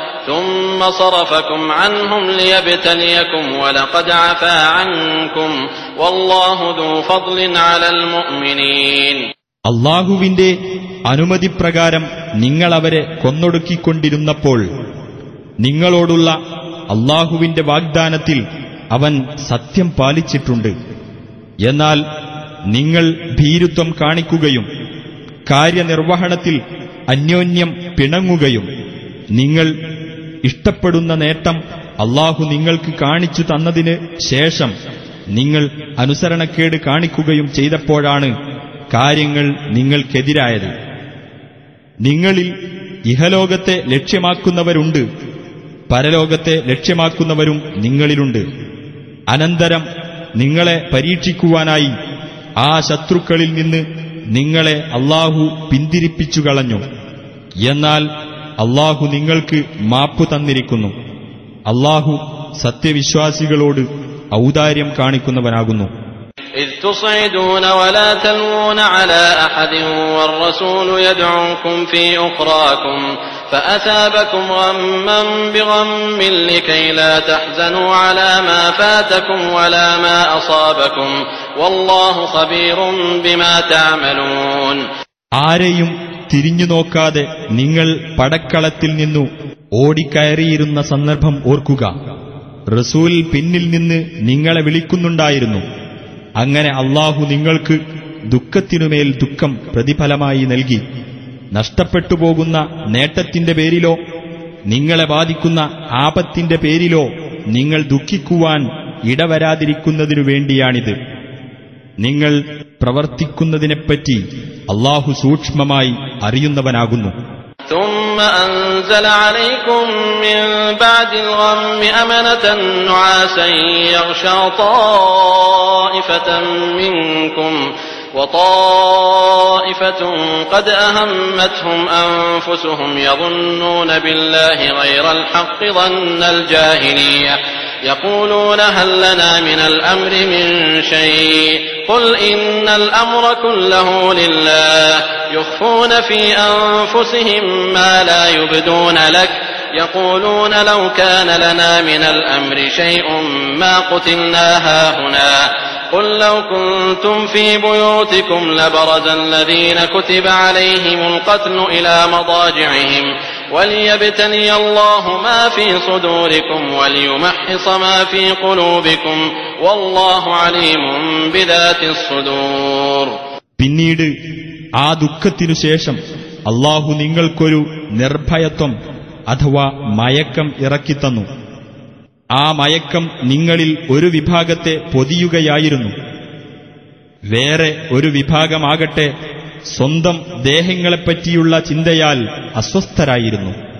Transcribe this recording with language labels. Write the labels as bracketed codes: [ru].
[ar] ثم صرفكم عنهم ليبتليكم ولقد عفا عنكم والله ذو فضل على المؤمنين [ml] അല്ലാഹുവിന്റെ അനുമതിപ്രകാരം നിങ്ങളവരെ കൊന്നൊടുക്കിക്കൊണ്ടിരുന്നപ്പോൾ നിങ്ങളോടുള്ള അല്ലാഹുവിന്റെ വാഗ്ദാനത്തിൽ അവൻ സത്യം പാലിച്ചിട്ടുണ്ട്. എന്നാൽ നിങ്ങൾ ഭീരുത്വം കാണിക്കുകയും കാര്യനിർവഹണത്തിൽ അന്യോന്യം പിണങ്ങുകയും നിങ്ങൾ ഇഷ്ടപ്പെടുന്ന നേട്ടം അല്ലാഹു നിങ്ങൾക്ക് കാണിച്ചു തന്നതിന് ശേഷം നിങ്ങൾ അനുസരണക്കേട് കാണിക്കുകയും ചെയ്തപ്പോഴാണ് കാര്യങ്ങൾ നിങ്ങൾക്കെതിരായത്. നിങ്ങളിൽ ഇഹലോകത്തെ ലക്ഷ്യമാക്കുന്നവരുണ്ട്, പരലോകത്തെ ലക്ഷ്യമാക്കുന്നവരും നിങ്ങളിലുണ്ട്. അനന്തരം നിങ്ങളെ പരീക്ഷിക്കുവാനായി ആ ശത്രുക്കളിൽ നിന്ന് നിങ്ങളെ അല്ലാഹു പിന്തിരിപ്പിച്ചു കളഞ്ഞു. എന്നാൽ അല്ലാഹു നിങ്ങൾക്ക് മാപ്പു തന്നിരിക്കുന്നു. അല്ലാഹു സത്യവിശ്വാസികളോട് ഔദാര്യം കാണിക്കുന്നവനാകുന്നു. [ar] إذ تصعدون ولا تلوون على أحد والرسول يدعوكم في أخراكم فأثابكم غما بغم لكي لا تحزنوا على ما فاتكم ولا ما أصابكم والله خبير بما تعملون [ml] ആരെയും തിരിഞ്ഞു നോക്കാതെ നിങ്ങൾ പടക്കളത്തിൽ നിന്നു ഓടിക്കയറിയിരുന്ന സന്ദർഭം ഓർക്കുക. റസൂൽ പിന്നിൽ നിന്ന് നിങ്ങളെ വിളിക്കുന്നുണ്ടായിരുന്നു. അങ്ങനെ അല്ലാഹു നിങ്ങൾക്ക് ദുഃഖത്തിനുമേൽ ദുഃഖം പ്രതിഫലമായി നൽകി. നഷ്ടപ്പെട്ടുപോകുന്ന നേട്ടത്തിന്റെ പേരിലോ നിങ്ങളെ ബാധിക്കുന്ന ആപത്തിന്റെ പേരിലോ നിങ്ങൾ ദുഃഖിക്കുവാൻ ഇടവരാതിരിക്കുന്നതിനു വേണ്ടിയാണിത്. നിങ്ങൾ പ്രവർത്തിക്കുന്നതിനെപ്പറ്റി അല്ലാഹു സൂക്ഷ്മമായി അറിയുന്നവനാകുന്നു. [ar] ثم أنزل عليكم من بعد الغم أمنة نعاسا يغشى طائفة منكم وطائفة قد أهمتهم أنفسهم يظنون بالله غير الحق ظن الجاهلية يقولون هل لنا من الأمر من شيء قل إن الأمر كله لله يخفون في أنفسهم ما لا يبدون لك يقولون لو كان لنا من الأمر شيء ما قتلنا هاهنا قل لو كنتم في بيوتكم لبرز الذين كتب عليهم القتل إلى مضاجعهم وليبتني الله ما في صدوركم وليمحص ما في قلوبكم والله عليم بذات الصدور. [ml] പിന്നീട് ആ ദുഃഖത്തിനു ശേഷം അല്ലാഹു നിങ്ങൾക്കൊരു നിർഭയത്വം അഥവാ മയക്കം ഇറക്കിത്തന്നു. ആ മയക്കം നിങ്ങളിൽ ഒരു വിഭാഗത്തെ പൊതിയുകയായിരുന്നു. വേറെ ഒരു വിഭാഗമാകട്ടെ സ്വന്തം ദേഹങ്ങളെപ്പറ്റിയുള്ള ചിന്തയാൽ അസ്വസ്ഥരായിരുന്നു.